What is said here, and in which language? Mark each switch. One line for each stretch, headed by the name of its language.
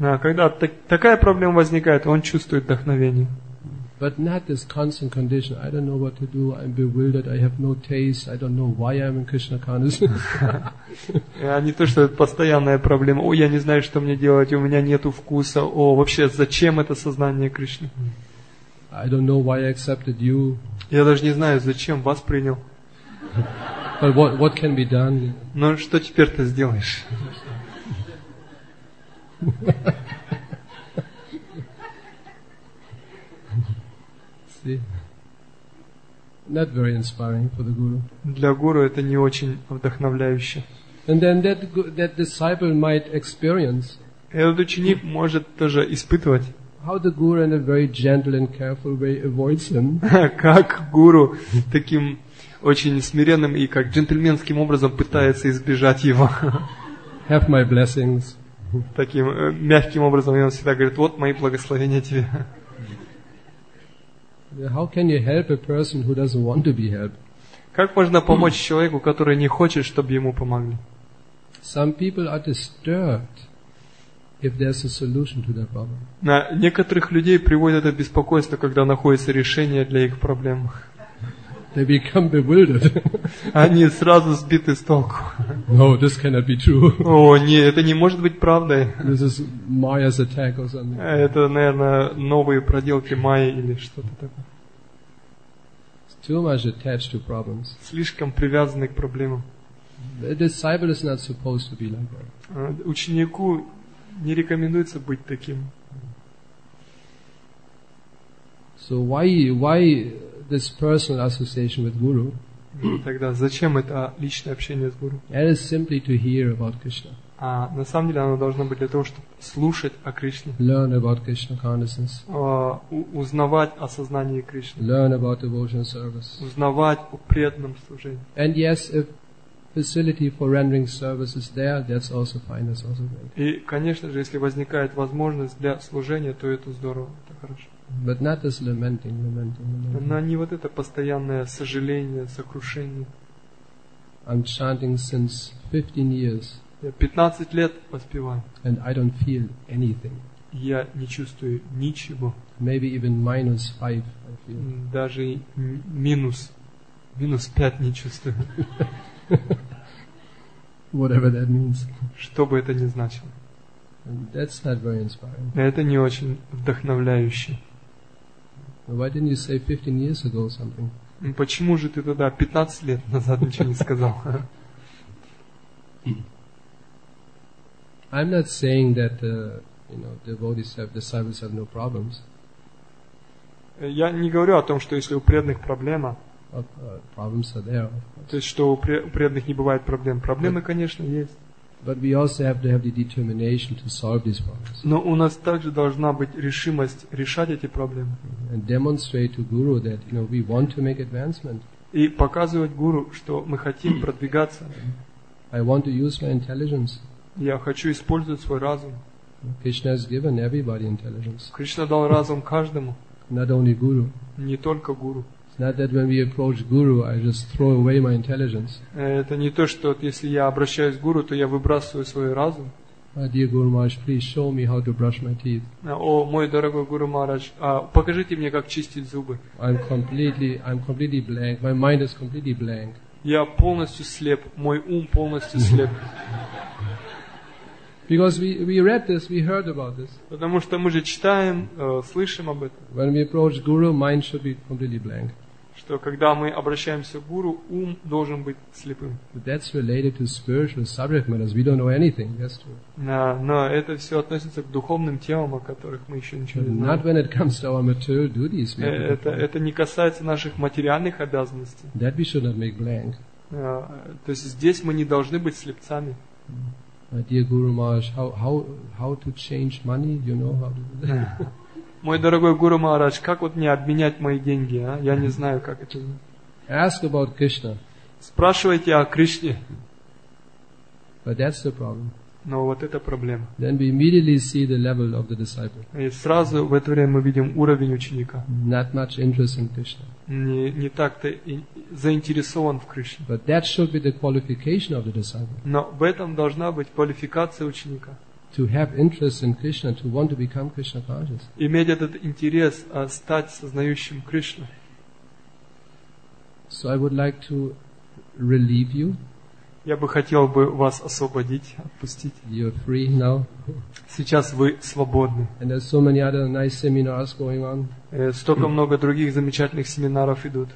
Russian: Когда такая проблема возникает, он чувствует вдохновение.
English: But not this constant condition. I don't know what to do. I'm bewildered. I have no taste. I don't know why I'm in Krishna consciousness.
Russian: Не то, что это постоянная проблема. О, я не знаю, что мне делать. У меня нету вкуса. О, вообще, зачем это сознание Кришны?
English: I don't know why I accepted you.
Russian: Я даже не знаю, зачем вас принял.
English: But what can be done?
Russian: Ну, что теперь ты сделаешь?
English: Not very inspiring for the guru.
Russian: Для гуру это не очень вдохновляюще.
English: And then that disciple might experience.
Russian: Этот ученик может тоже испытывать.
English: How the guru in a very gentle and careful way avoids him.
Russian: Как гуру таким очень смиренным и как джентльменским образом пытается избежать его.
English: Have my blessings.
Russian: Таким мягким образом он всегда говорит: вот мои благословения тебе.
English: How can you help a person who doesn't want to be helped?
Russian: Как можно помочь человеку, который не хочет, чтобы ему помогли?
English: Some people are disturbed if there's a solution to their problem.
Russian: На некоторых людей приводит это беспокойство, когда находится решение для их проблем.
English: They become bewildered.
Russian: Они сразу сбиты с толку.
English: No, this cannot be true.
Russian: О, не, это не может быть правдой.
English: This is Maya's attack or something.
Russian: Это, наверное, новые проделки Майи или что-то такое.
English: Too much attached to problems.
Russian: Слишком привязаны к проблемам.
English: The disciple is not supposed to be like that.
Russian: Ученику не рекомендуется быть таким.
English: So why this personal association with guru?
Russian: Тогда зачем это личное общение с гуру?
English: It is simply to hear about Krishna.
Russian: А на самом деле оно должно быть для того, чтобы слушать о Кришне.
English: Learn about Krishna consciousness.
Russian: Узнавать о сознании Кришны.
English: Learn about devotion service.
Russian: Узнавать о преданном служении.
English: And yes, if facility for rendering service is there, that's also fine, that's also great.
Russian: И, конечно же, если возникает возможность для служения, то это здорово, это хорошо.
English: But not this lamenting.
Russian: Но не вот это постоянное сожаление, сокрушение.
English: I'm chanting since 15 years.
Russian: Я 15 лет воспеваю.
English: And I don't feel anything.
Russian: Я не чувствую ничего.
English: Maybe even minus 5 I feel.
Russian: Даже минус 5 не чувствую.
English: Whatever that means.
Russian: Что бы это ни значило.
English: And that's not very inspiring.
Russian: Это не очень вдохновляюще.
English: Why didn't you say 15 years ago something?
Russian: Почему же ты тогда 15 лет назад ничего не сказал?
English: I'm not saying that you know, devotees have, disciples have no problems.
Russian: Я не говорю о том, что если у преданных проблема.
English: Problems are there, of course.
Russian: То есть что у преданных не бывает проблем. Проблемы, конечно, есть.
English: But we also have to have the determination to solve these problems.
Russian: Но у нас также должна быть решимость решать эти проблемы.
English: And demonstrate to guru that you know, we want to make advancement.
Russian: И показывать гуру, что мы хотим продвигаться.
English: I want to use my intelligence.
Russian: Я хочу использовать свой разум.
English: Krishna has given everybody intelligence.
Russian: Кришна дал разум каждому.
English: Not only guru.
Russian: Не только гуру.
English: It's not that when we approach guru, I just throw away my intelligence.
Russian: Это не то, что если я обращаюсь к гуру, то я выбрасываю свой разум.
English: My dear Guru Maharaj, please show me how to brush my teeth.
Russian: О, мой дорогой Гуру Махарадж, покажите мне, как чистить зубы.
English: I'm completely blank. My mind is completely blank.
Russian: Я полностью слеп. Мой ум полностью слеп.
English: Because we read this, we heard about this.
Russian: Потому что мы же читаем, слышим об этом.
English: When we approach guru, mind should be completely blank.
Russian: Что когда мы обращаемся к гуру, ум должен быть слепым.
English: But that's related to spiritual subject matters. We don't know anything. That's true.
Russian: Но это все относится к духовным темам, о которых мы еще ничего не знаем.
English: Not when it comes to our material duties.
Russian: Это не касается наших материальных обязанностей.
English: That we should not make blank.
Russian: То есть здесь мы не должны быть слепцами.
English: My dear Guru Maharaj, how to change money? You know how to do that?
Russian: Мой дорогой Гуру Махарадж, как вот мне обменять мои деньги, а? Я не знаю, как это.
English: Ask about Krishna.
Russian: Спрашивайте о Кришне.
English: But that's the problem.
Russian: Но вот это проблема.
English: Then we immediately see the level of the disciple.
Russian: И сразу в это время мы видим уровень ученика.
English: Not much interest in Krishna.
Russian: Не так-то и заинтересован в Кришне.
English: But that should be the qualification of the disciple.
Russian: Но в этом должна быть квалификация ученика.
English: To have interest in Krishna, to want to become Krishna conscious.
Russian: Иметь этот интерес, стать сознающим Кришну.
English: So I would like to relieve you.
Russian: Я бы хотел бы вас освободить, отпустить.
English: You're free now.
Russian: Сейчас вы свободны.
English: And there's so many other nice seminars going on.
Russian: Столько много других замечательных семинаров идут.